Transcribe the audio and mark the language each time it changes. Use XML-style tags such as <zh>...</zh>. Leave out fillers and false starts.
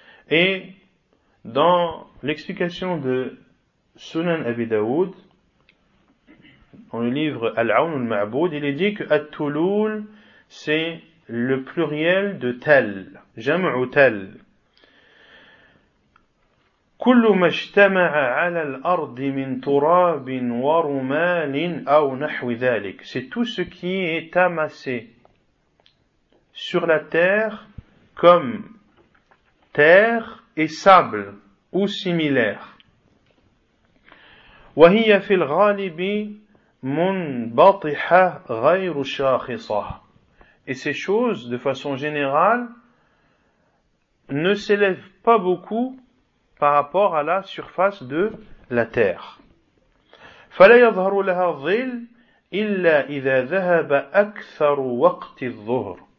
<fr>Et dans l'explication de Sunan Abi Daoud, dans le livre Al-Aoun al-Ma'boud, il est dit que At-Touloul, c'est le pluriel de tel,</fr> <ar>jam'u tel. كل ما اجتمع على الأرض من تراب ورمال أو نحو ذلك.</ar> <fr>C'est tout ce qui est amassé sur la terre comme terre et sable ou similaire.</fr> <ar>وهي في الغالب منبطحة غير شاخصة.</ar> <fr>Et ces choses, de façon générale, ne s'élèvent pas beaucoup par rapport à la surface de la terre.</fr> <ar>فَلَا يَظْهَرُ لَهَا ظِلْ إِلَّا إِذَا ذَهَبَ أَكْثَرُ وَقْتِ الظُّهْرِ.</ar>